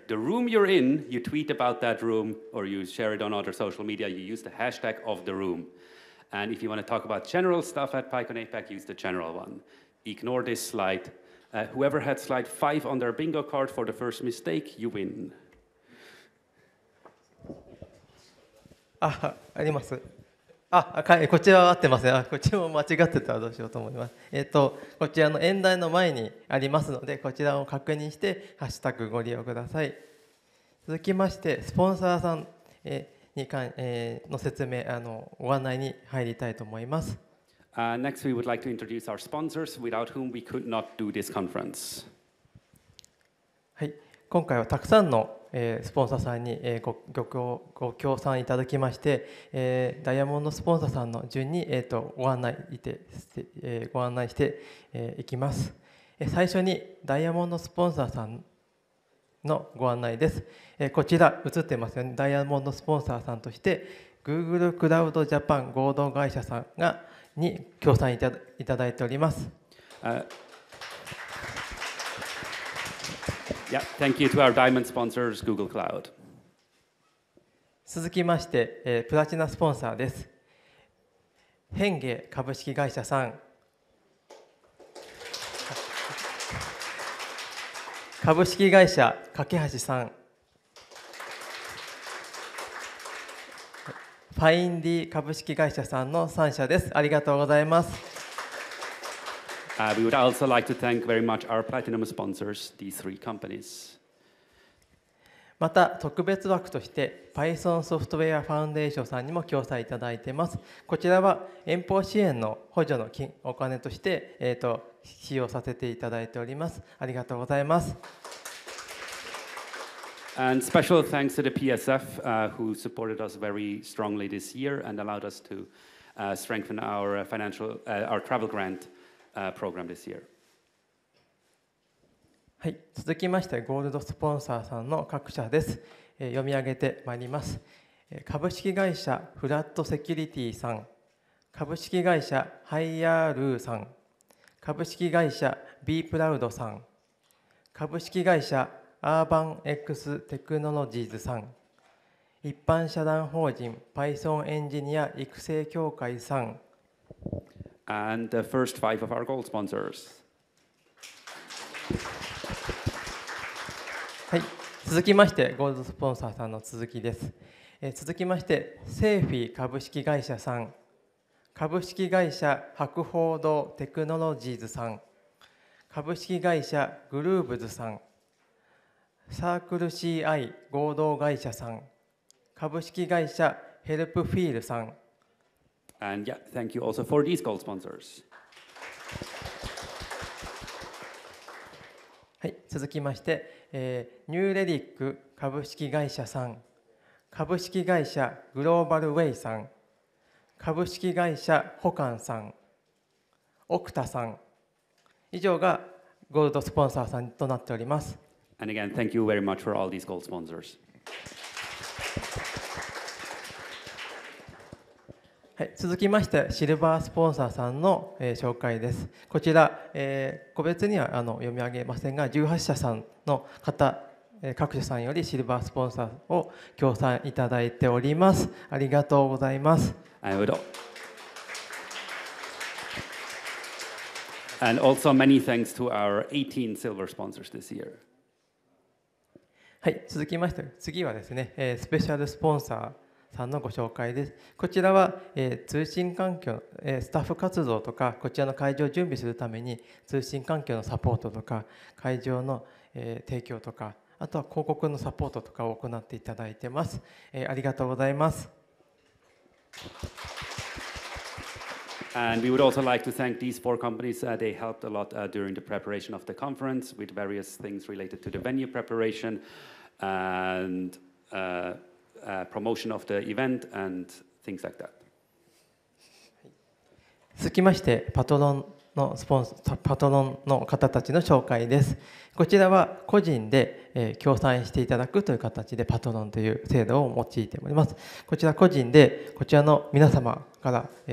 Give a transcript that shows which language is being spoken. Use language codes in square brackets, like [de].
[en] The room you're in, you tweet about that room or you share it on other social media, you use the hashtag of the room. And if you want to talk about general stuff at PyConAPAC, use the general one. Ignore this slide. Whoever had slide 5 on their bingo card for the first mistake, you win. [ja] あ、あります。あ、こっちは合ってますね。こっちも間違ってたらどうしようと思います。こちらの演題の前にありますので、こちらを確認してハッシュタグご利用ください。続きまして、スポンサーさんに関、の説明、ご案内に入りたいと思います。 [en] Next, we would like to introduce our sponsors, without whom we could not do this conference. [ja] はい、今回はたくさんのスポンサーさんにご協賛いただきまして、ダイヤモンドスポンサーさんの順にご案内していきます。最初にダイヤモンドスポンサーさんのご案内です。こちら映ってますよね。ダイヤモンドスポンサーさんとして Google Cloud Japan 合同会社さんがに協賛いただいております。 [en] Yeah, thank you to our diamond sponsors, Google Cloud. [ja] 続きまして、プラチナスポンサーです。ヘンゲ株式会社さん。株式会社架橋さん。ファインディ株式会社さんの3社です。ありがとうございます。 [en] We would also like to thank very much our platinum sponsors, these three companies. [ja] また特別枠として Python Software Foundation さんにも協賛いただいています。こちらは遠方支援の補助のお金として、使用させていただいております。ありがとうございます。 [en] And special thanks to the PSF, who supported us very strongly this year and allowed us to strengthen our financial, our travel grant. Program this year. [ja] はい、続きましてゴールドスポンサーさんの各社です。読み上げてまいります。株式会社フラットセキュリティさん、株式会社ハイヤールーさん、株式会社ビープラウドさん、株式会社アーバン X テクノロジーズさん、一般社団法人 Python エンジニア育成協会さん、 [en] And the first five of our gold sponsors. [ja] はい、続きましてゴールドスポンサーさんの続きです。続きましてセーフィー株式会社さん、株式会社博報堂テクノロジーズさん、株式会社グルーブズさん、サークル CI 合同会社さん、株式会社ヘルプフィールさん。 [en] And yeah, thank you also for these gold sponsors. [ja] はい、続きまして、ニューレリック株式会社さん、株式会社グローバルウェイさん、株式会社ホカンさん、オクタさん、以上がゴールドスポンサーさんとなっております。 [en] And again, thank you very much for all these gold sponsors. [ja] はい、続きましてシルバースポンサーさんの、紹介です。こちら、個別には読み上げませんが、18社さんの方、各社さんよりシルバースポンサーを協賛いただいております。ありがとうございます。 [en] I would. And also many thanks to our 18 silver sponsors this year. [ja] はい、続きまして次はですね、スペシャルスポンサーさんのご紹介です。こちらは、通信環境、スタッフ活動とかこちらの会場を準備するために通信環境のサポートとか会場の、提供とかあとは広告のサポートとかを行っていただいてます、ありがとうございます。 [en] And we would also like to thank these four companies. They helped a lot during the preparation of the conference with various things related to the venue preparation andpromotion of the event and things like that. [ja] 続きましてパトロンのスポンサー、パトロンの方たちの紹介です。こちらは個人で、協賛していただくという形でパトロンという制度を用いております。こちら個人でこちらの皆様から、